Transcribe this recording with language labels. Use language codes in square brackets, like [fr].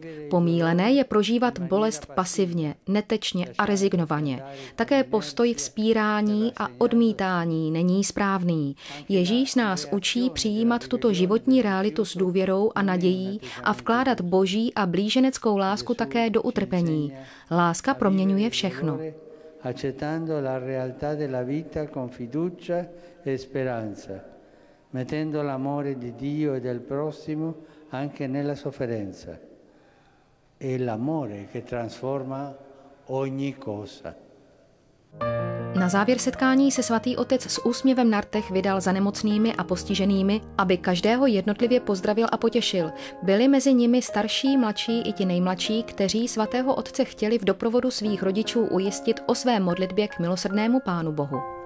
[cs] Pomílené je prožívat bolest pasivně, netečně a rezignovaně. Také postoj vzpírání a odmítání není správný. Ježíš nás učí přijímat tuto životní realitu s důvěrou a nadějí a vkládat boží a blíženeckou lásku také do utrpení. Láska proměňuje všechno. [it] Accettando la realtà della vita con fiducia e speranza, mettendo l'amore di Dio e del prossimo anche nella sofferenza. È l'amore che trasforma ogni cosa. [cs] Na závěr setkání se svatý otec s úsměvem na rtech vydal za nemocnými a postiženými, aby každého jednotlivě pozdravil a potěšil. Byli mezi nimi starší, mladší i ti nejmladší, kteří svatého otce chtěli v doprovodu svých rodičů ujistit o své modlitbě k milosrdnému Pánu Bohu.